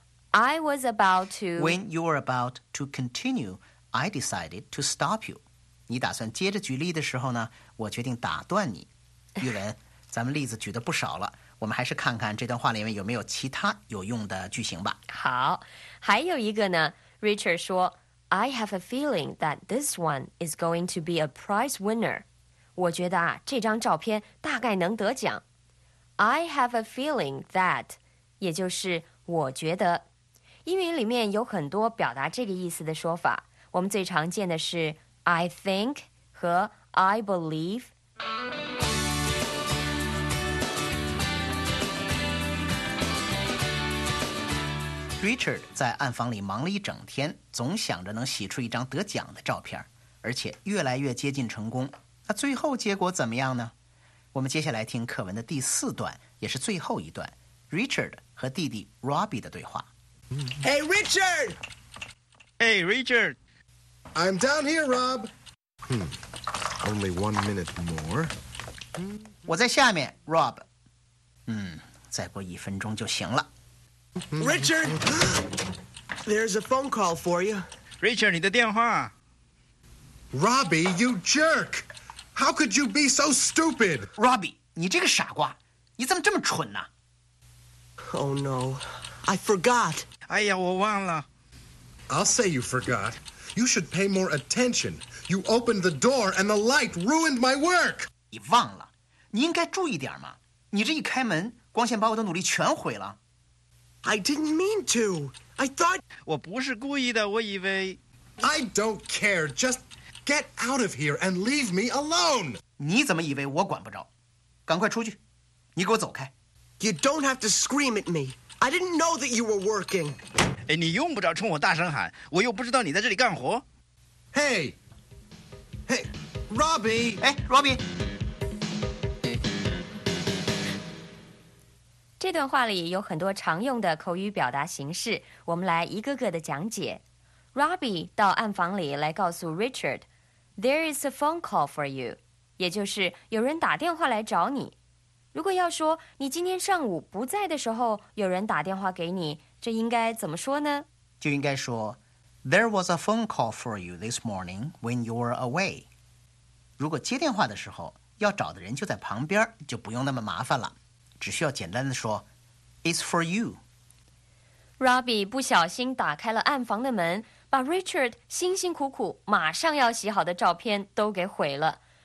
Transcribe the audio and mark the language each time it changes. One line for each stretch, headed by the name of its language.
English: I was about to... When you were about to continue, I decided to stop you.
Chinese: 你打算接着举例的时候呢，我决定打断你。玉文，咱们例子举得不少了，我们还是看看这段话里面有没有其他有用的句型吧。好，还有一个呢， Richard 说
English: I have a feeling that this one is going to be a prize winner.
Chinese: 我觉得啊，这张照片大概能得奖。
English: I have a feeling that,
Chinese: 也就是我觉得。英语里面有很多表达这个意思的说法，我们最常见的是
English: I think
Chinese: 和
English: I believe。
Chinese: Richard 在暗房里忙了一整天，总想着能洗出一张得奖的照片，而且越来越接近成功。那最后结果怎么样呢？我们接下来听课文的第四段，也是最后一段 ，Richard 和弟弟 Robbie 的对话。
English: Hey Richard! Hey Richard! I'm down here, Rob. Only 1 minute more.
Chinese: 我在下面 ，Rob。再过一分钟就行了。
English: Richard, there's a phone call for you.
Chinese: Richard, 你的电话。
English: Robbie, you jerk! How could you be so stupid?
Chinese: Robbie, 你这个傻瓜，你怎么这么蠢呢？
English: Oh no, I forgot.
Chinese: 哎呀，我忘了。
English: I'll say you forgot. You should pay more attention. You opened the door and the light ruined my work.
Chinese: 你忘了，你应该注意点嘛。你这一开门，光线把我的努力全毁了。
English: I didn't mean to. I thought...
Chinese: 我不是故意的，我以为...
English: I don't care. Just get out of here and leave me alone.
Chinese: 你怎么以为我管不着？赶快出去，你给我走开。
English: You don't have to scream at me. I didn't know that you were working.
Chinese: 哎，你用不着冲我大声喊，我又不知道你在这里干活。
English: Hey! Hey, Robbie!
Chinese: 哎 ,Robbie! 这段话里有很多常用的口语表达形式，我们来一个个的讲解。 Robbie 到暗房里来告诉 Richard,
English: There is a phone call for you,
Chinese: 也就是有人打电话来找你。如果要说你今天上午不在的时候有人打电话给你，这应该怎么说呢？就应该说
English: There was a phone call for you this morning when you were away.
Chinese: 如果接电话的时候要找的人就在旁边，就不用那么麻烦了。只需要简单的说
English: It's for you.
Chinese: Robbie 不小心打开了暗房的门，把 Richard 辛辛苦苦马上要洗好的照片都给毁了。